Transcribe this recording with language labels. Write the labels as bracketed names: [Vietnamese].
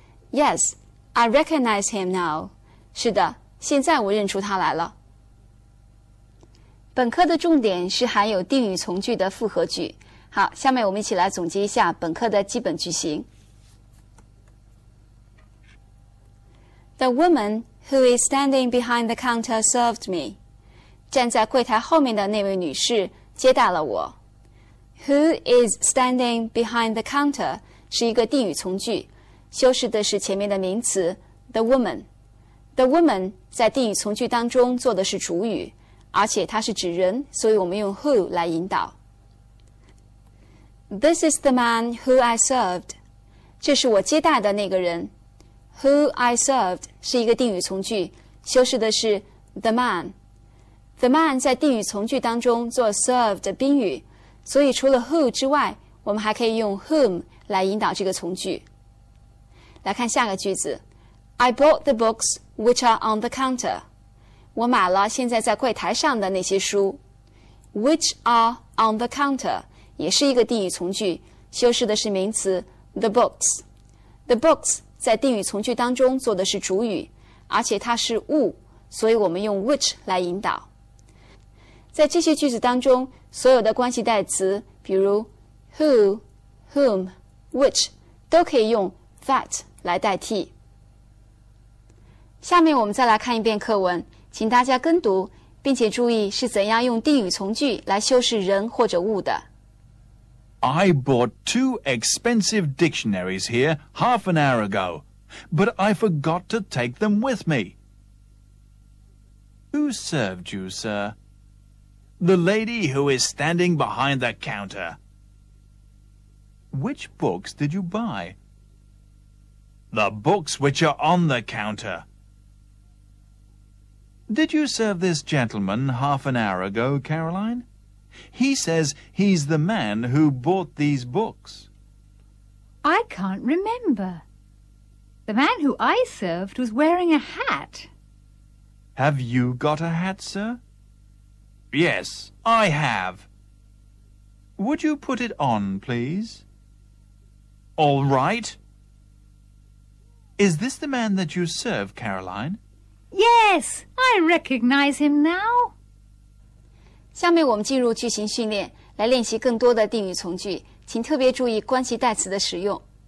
[English] Yes, I recognize him now. [Chinese] 是的，现在我认出他来了。本课的重点是含有定语从句的复合句。好，下面我们一起来总结一下本课的基本句型。 [English] The woman who is standing behind the counter served me. [Chinese] 站在柜台后面的那位女士接待了我。 [English] Who is standing behind the counter [Chinese] 是一个定语从句，修饰的是前面的名词 the woman。 The woman 在定语从句当中做的是主语，而且它是指人，所以我们用 who 来引导。 [English] This is the man who I served. [Chinese] 这是我接待的那个人。 [English] Who I served [Chinese] 是一个定语从句，修饰的是 the man。 The man 在定语从句当中做 served 的宾语，所以除了 who 之外，我们还可以用 whom 来引导这个从句。来看下个句子。 [English] I bought the books which are on the counter. [Chinese] 我买了现在在柜台上的那些书。 [English] Which are on the counter [Chinese] 也是一个定语从句，修饰的是名词 the books。 The books 在定语从句当中做的是主语，而且它是物，所以我们用 which 来引导。在这些句子当中，所有的关系代词，比如 who, whom, which, 都可以用 that 来代替。下面我们再来看一遍课文，请大家跟读，并且注意是怎样用定语从句来修饰人或者物的。 [English] I bought two expensive dictionaries here half an hour ago, but I forgot to take them with me. Who served you, sir? The lady who is standing behind the counter. Which books did you buy? The books which are on the counter. Did you serve this gentleman half an hour ago, Caroline? He says he's the man who bought these books. I can't remember. The man who I served was wearing a hat. Have you got a hat, sir? Yes, I have. Would you put it on, please? All right. Is this the man that you serve, Caroline? Yes, I recognize him now. [Chinese] 下面我们进入句型训练，来练习更多的定语从句，请特别注意关系代词的使用。